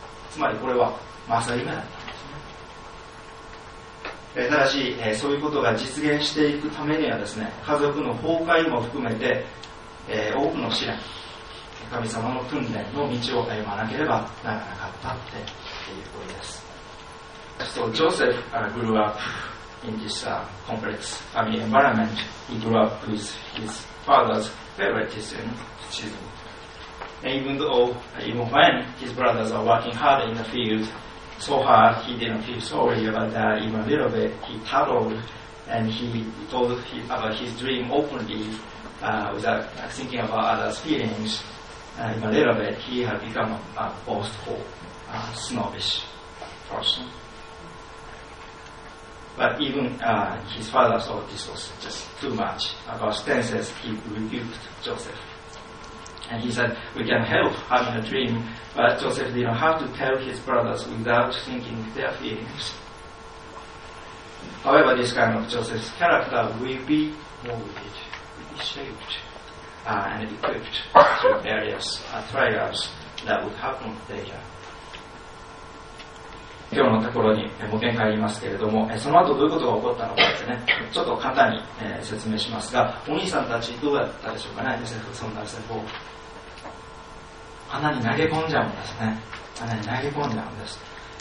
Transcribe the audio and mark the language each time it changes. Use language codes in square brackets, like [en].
[ja] つまりこれはまさに夢だったんですね。ただし、そういうことが実現していくためにはですね、家族の崩壊も含めて、多くの試練、神様の訓練の道を歩まなければならなかったっていうことです。 [en] So Joseph grew up in this complex family environment. He grew up with his father's favoritism, which is even when his brothers are working hard in the field, so hard he didn't feel sorry about that even a little bit. He cuddled and he told about his dream openly, without thinking about others' feelings. Even a little bit, he had become a boastful, snobbish person. But even his father thought this was just too much. About 10 says he rebuked Joseph. And he said, we can help having a dream, but Joseph didn't have to tell his brothers without thinking their feelings. However, this kind of Joseph's character will be molded, will be shaped, and equipped through various trials that would happen later. [ja] 今日のところに模型がありますけれども、その後どういうことが起こったのかですね、ちょっと簡単に説明しますが、お兄さんたちどうやったでしょうかね、ヨセフ、そんなヨセフを穴に投げ込んじゃうんですね、穴に投げ込んじゃうんです。